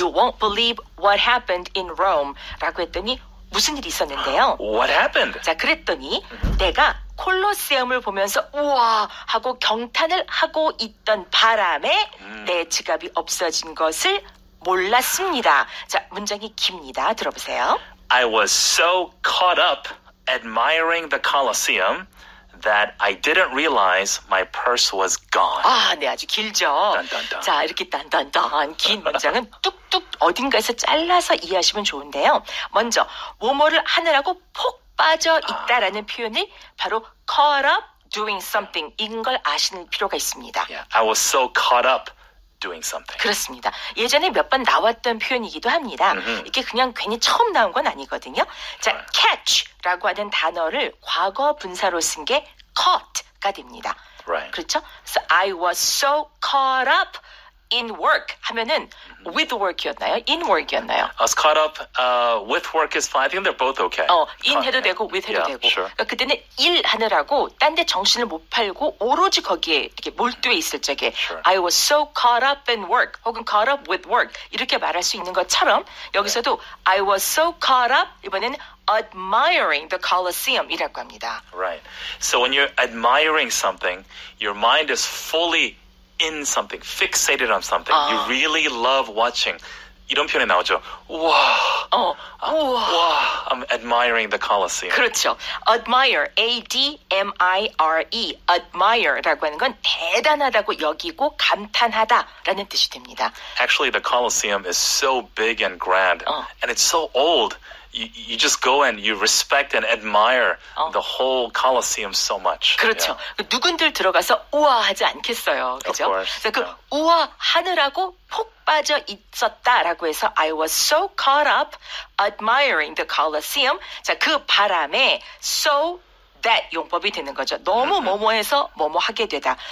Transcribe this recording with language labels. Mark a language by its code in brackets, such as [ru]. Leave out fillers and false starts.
[en] You won't believe what happened happened in Rome [ko] 라고 했더니 무슨 일이 있었는데요. [en] What happened? [ko] 자, 그랬더니 내가 콜로세움을 보면서 우와 하고 경탄을 하고 있던 바람에 내 지갑이 없어진 것을 몰랐습니다. 자, 문장이 깁니다. 들어보세요. [en] I was so caught up admiring the Colosseum that I didn't realize my purse was gone. [ko] 아, 네, 아주 길죠. 딴딴딴. 자, 이렇게 딴딴딴 긴 문장은 뚝뚝 어딘가에서 잘라서 이해하시면 좋은데요. 먼저, 뭐뭐를 하느라고 폭 빠져 있다라는 표현이 바로 [en] caught up doing something [ko] 인 걸 아시는 필요가 있습니다. [en] Yeah, I was so caught up. Doing something. [ko] 그렇습니다. 예전에 몇 번 나왔던 표현이기도 합니다. Mm-hmm. 이게 그냥 괜히 처음 나온 건 아니거든요. 자, [en] right. [ko] catch라고 하는 단어를 과거 분사로 쓴 게 caught가 됩니다. [en] Right. [ko] 그렇죠? [en] So I was so caught up in work [ko] 하면은 [en] mm-hmm. with work [ko] 였나요? [en] In work였나요? I was caught up with work is fine. I think they're both okay. In caught, [ko] 해도 되고 [en] with yeah, [ko] 해도 되고. [en] Sure. [ko] 그러니까 그때는 일 하느라고 딴 데 정신을 못 팔고 오로지 거기에 이렇게 몰두해 있을 적에 [en] sure. I was so caught up in work [ko] 혹은 [en] caught up with work [ko] 이렇게 말할 수 있는 것처럼 여기서도 [en] yeah. I was so caught up [ko] 이번에는 [en] admiring the Colosseum [ko] 이라고 합니다. [en] Right. So when you're admiring something your mind is fully in something, fixated on something. You really love watching. [ko] 이런 표현이 나오죠. 우와. 우와. [en] I'm admiring the Colosseum. [ko] 그렇죠. [en] Admire, A-D-M-I-R-E. [ko] Admire라고 하는 건 대단하다고 여기고 감탄하다라는 뜻이 됩니다. [en] Actually, the Colosseum is so big and grand. And it's so old. You just go and you respect and admire the whole Colosseum so much. [ko] 그렇죠. Yeah. 누군들 들어가서 우아하지 않겠어요. 그렇죠? [en] Of course. [ko] 그 yeah. 우아하느라고 폭 빠져 있었다라고 해서 [en] I was so caught up admiring the Colosseum. [ko] 자, 그 바람에 so that 용법이 되는 거죠. 너무 뭐뭐해서 뭐뭐하게 되다.